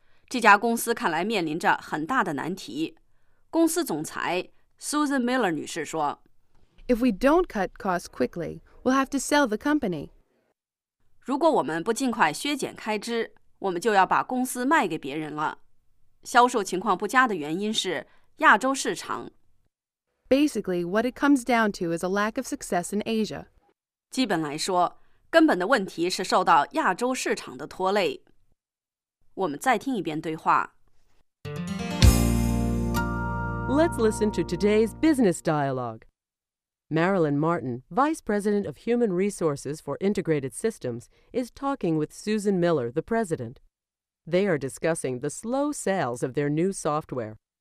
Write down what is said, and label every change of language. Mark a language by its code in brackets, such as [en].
[zh] This 家公司看来面临着很大的难题。公司总裁 Susan Miller 女士说 [en] If we don't cut costs quickly, we'll have to sell the company. [zh] 如果我们不尽快削减开支我们就要把公司卖给别人了。销售情况不佳的原因是亚洲市场。 [en] Basically, what it comes down to is a lack of success in Asia. [zh] 基本来说，根本的问题是受到亚洲市场的拖累。我们再听一遍对话。 [en] Let's listen to today's business dialogue. Marilyn Martin, Vice President of Human Resources for Integrated Systems, is talking with Susan Miller, the President. They are discussing the slow sales of their new software.